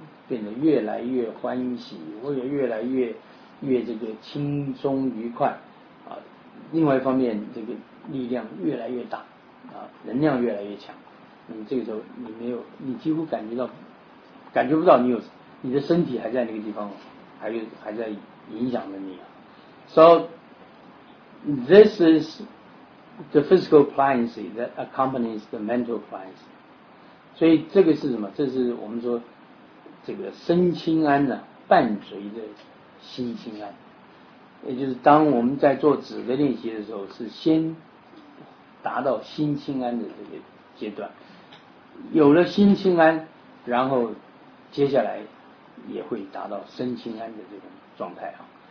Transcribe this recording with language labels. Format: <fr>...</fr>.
<zh>变得越来越欢喜，或者越来越这个轻松愉快啊。另外一方面，这个力量越来越大啊，能量越来越强。那么这个时候，你没有，你几乎感觉不到你有，你的身体还在那个地方，还在影响着你啊。</zh> <en>So this is the physical pliancy that accompanies the mental pliancy.</en> <zh>所以这个是什么？这是我们说。这个身清安呢、啊，伴随着心清安。也就是当我们在做止的练习的时候，是先达到心清安的这个阶段，有了心清安，然后接下来也会达到身清安的这种状态啊。</zh>